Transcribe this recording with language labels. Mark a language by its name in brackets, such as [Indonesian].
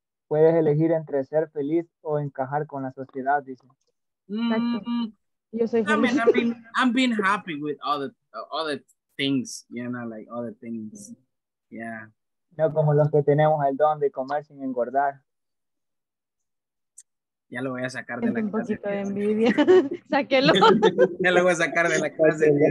[Spanish] Puedes elegir entre ser feliz o encajar con la sociedad, dice. [English] I'm being happy with other things, you know, like other things. Yeah. [Spanish] No como los que tenemos el don de comer sin engordar. Ya lo voy a sacar de la clase. Un poquito de envidia. Sáquelo. Ya lo voy a sacar de la clase.